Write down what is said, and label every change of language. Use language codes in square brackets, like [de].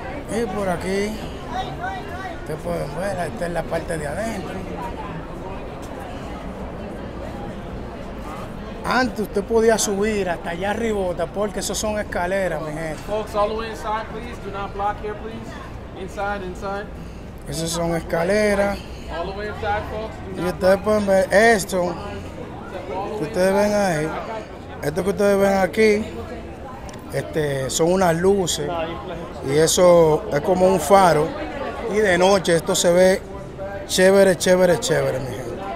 [es] Y por aquí, ustedes pueden ver, esta es la parte de adentro. Antes usted podía subir hasta allá arriba, porque esos son escaleras, mi gente. [en] Folks, all the way inside, please. Do not block here, please. Inside. [es] Esos son escaleras. [en] All the way inside, folks. [es] Y ustedes pueden ver esto. Ustedes ven ahí. Esto que ustedes ven aquí, son unas luces. Y eso es como un faro. Y de noche esto se ve chévere, chévere, chévere, mi gente.